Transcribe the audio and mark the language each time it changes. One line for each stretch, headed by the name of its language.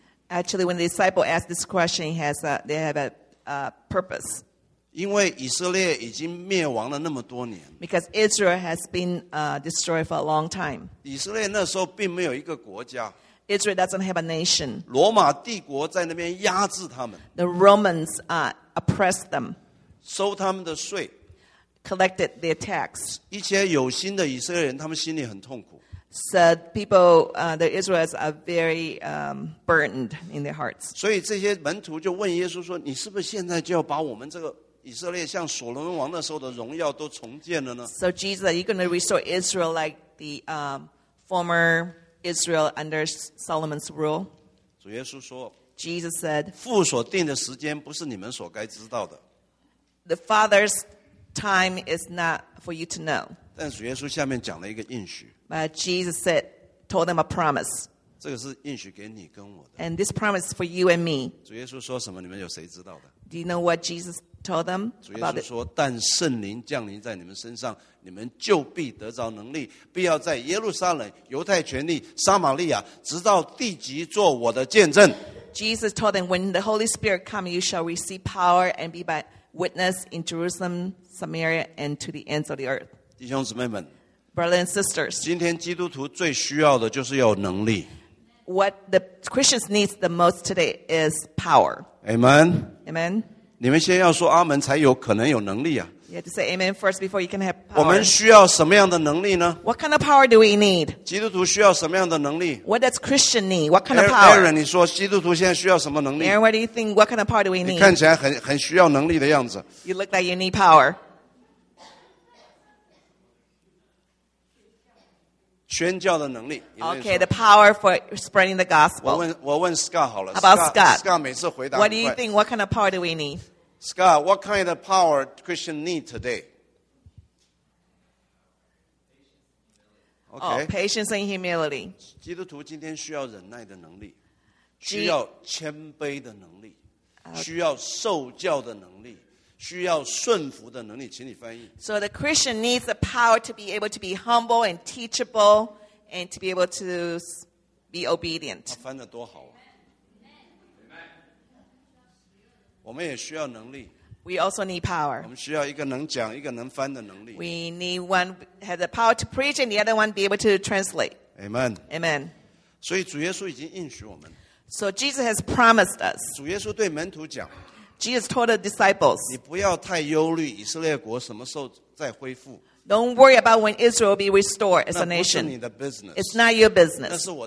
English: actually, when the disciple asked this question, he has a, they have a purpose.
Chinese: 因为以色列已经灭亡了那么多年,
English: because Israel has been destroyed for a long time.
Chinese: 以色列那时候并没有一个国家,
English: Israel doesn't have a nation.
Chinese: 罗马帝国在那边压制他们,
English: the Romans oppressed them.
Chinese: 收他们的税,
English: collected their tax.
Chinese: 一些有心的以色列人, 他们心里很痛苦,
English: so people, the Israelites are very burdened in their hearts.
Chinese: 所以这些门徒就问耶稣说, 你是不是现在就要把我们这个以色列像所罗门王那时候的荣耀都重建了呢?
English: So Jesus, are you going to restore Israel like the former Israel under Solomon's rule?
Chinese: 主耶稣说,
English: Jesus said,
Chinese: 父所定的时间不是你们所该知道的,
English: the Father's time is not for you to know.
Chinese: 但主耶稣下面讲了一个应许,
English: but Jesus said, told them a promise.
Chinese: 这个是应许给你跟我的,
English: and this promise is for you and me.
Chinese: 主耶稣说什么, 你们有谁知道的?
English: Do you know what Jesus told them?
Chinese: 主耶稣说, 但圣灵降临在你们身上, 你们就必得着能力, 必要在耶路撒冷, 犹太全地, 撒玛利亚, 直到地极做我的见证。
English: Jesus told them, when the Holy Spirit comes, you shall receive power and be my witness in Jerusalem, Samaria, and to the ends of the earth.
Chinese: 弟兄姊妹们,
English: brothers and sisters,
Chinese: 今天基督徒最需要的就是要能力。
English: What the Christians need the most today is power. Amen. Amen.
Chinese: 你们先要说阿们才有可能有能力啊。
English: You have to say amen first before you can have power.
Chinese: 我们需要什么样的能力呢?
English: What kind of power do we need?
Chinese: 基督徒需要什么样的能力?
English: What does Christian need? What kind of power?
Chinese: Aaron, 你说, 基督徒现在需要什么能力?
English: Aaron, what do you think? What kind of power do we need?
Chinese: 你看起来很需要能力的样子。
English: You look like you need power.
Chinese: 宣教的能力,
English: okay, the power for spreading the gospel.
Chinese: 我问 Scott 好了,
English: about Scott?
Chinese: Scott 每次回答很快,
English: what do you think? What kind of power do we need? Scott, what kind of power do Christians need today? Okay. Oh, patience and humility.
Chinese: 基督徒今天需要忍耐的能力, 需要谦卑的能力, 需要受教的能力, 需要顺服的能力, 请你翻译。
English: So the Christian needs the power to be able to be humble and teachable and to be able to be obedient.
Chinese: 他翻得多好啊。我们也需要能力,
English: we also need power.
Chinese: 我们需要一个能讲,
English: we need one have the power to preach and the other one be able to translate. Amen. Amen.
Chinese: 所以主耶稣已经应许我们,
English: so Jesus has promised us.
Chinese: 主耶稣对门徒讲,
English: Jesus told the disciples,
Chinese: 你不要太忧虑以色列国什么时候再恢复,
English: don't worry about when Israel will be restored as a nation. It's not your business.